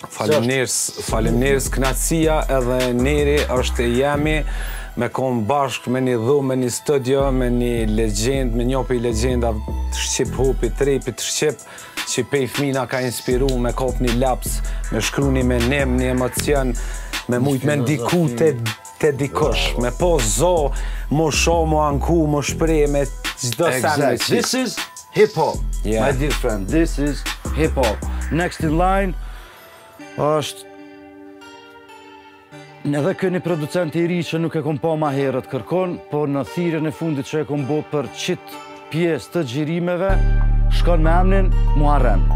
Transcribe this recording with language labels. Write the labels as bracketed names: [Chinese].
[Albanian] Faleminderit, knaqësia edhe Neri është e jemi me konë bashkë me një dhumë, me një studio, me një legendë, me një për legenda Shqip Hupi, trepit Shqip, që pej fmina ka inspiru me kopë një laps, me shkru një menem, një emocion, me mujtë me ndiku të dikosh, me po zo, mo sho, mo anku, mo shprej, me gjdo [English] sanë. This is hip-hop, yeah. My dear friend, this is hip-hop. Next in line, [Albanian] është edhe kjo një producent i ri që nuk e kom pa ma herët kërkon, por në thirën e fundit që e kom bo për qit pjesë të gjirimeve, shkon me emnin Muharrem.